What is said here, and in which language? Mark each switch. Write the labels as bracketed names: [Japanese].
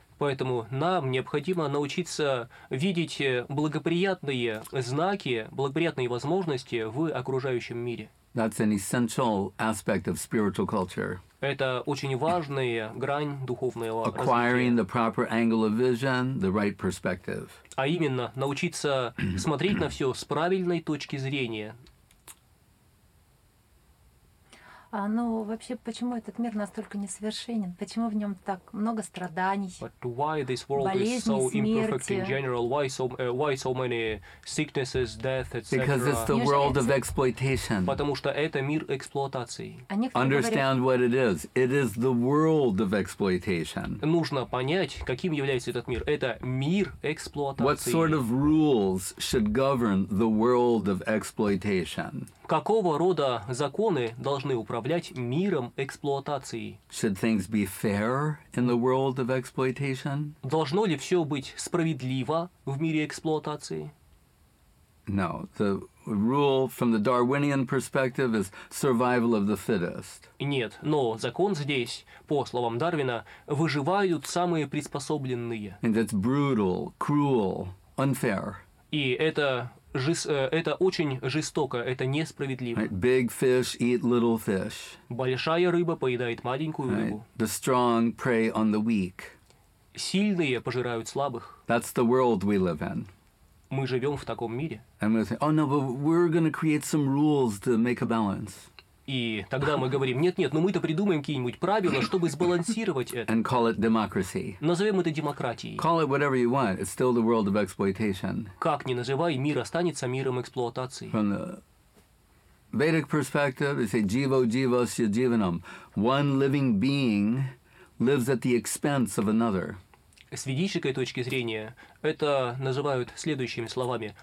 [Russian] Поэтому нам необходимо научиться видеть благоприятные знаки, благоприятные возможности в окружающем мире. [English] That's an essential aspect of spiritual culture. [Russian] Это очень важная грань духовного развития. [English] Acquiring the proper angle of vision, the right perspective. [Russian] А именно, научиться смотреть на все с правильной точки зрения. А ну вообще, почему этот мир настолько несовершенен? Почему в нем так много страданий? [English] But why this world [Russian] болезни, [English] is so imperfect [Russian] смерти? [English] In general? Why so many sicknesses, death, etc.? Because it's the world of exploitation. [Russian] Потому что это мир эксплуатации. [English] Understand what it is. It is the world of exploitation. [Russian] Нужно понять, каким является этот мир. Это мир эксплуатации. [English] What sort of rules should govern the world of exploitation? [Russian] Какого рода законы должны управлять миром эксплуатации? [English] Should things be fair in the world of exploitation? [Russian] Должно ли все быть справедливо в мире эксплуатации? [English] No. The rule from the Darwinian perspective is survival of the fittest. [Russian] Нет, но закон здесь, по словам Дарвина, выживают самые приспособленные. [English] And that's brutal, cruel, unfair. [Russian] И это... Это очень жестоко, это несправедливо. [English] Right. Big fish eat little fish. [Russian] Большая рыба поедает маленькую [English] right. [Russian] рыбу. [English] The strong prey on the weak. [Russian] Сильные пожирают слабых. [English] That's the world we live in. [Russian] Мы живем в таком мире. [English] And we say, oh no, but we're going to create some rules to make a balance. [Russian] И тогда мы говорим, нет-нет, но мы-то придумаем какие-нибудь правила, чтобы сбалансировать это. [English] And call it democracy. [Russian] Назовем это демократией. [English] Call it whatever you want, it's still the world of exploitation. [Russian] Как ни называй, мир останется миром эксплуатации. [English] From the Vedic perspective, they say, [Sanskrit] jivo jivasya jivanam. [English] One living being lives at the expense of another. [Russian] С ведической точки зрения, это называют следующими словами.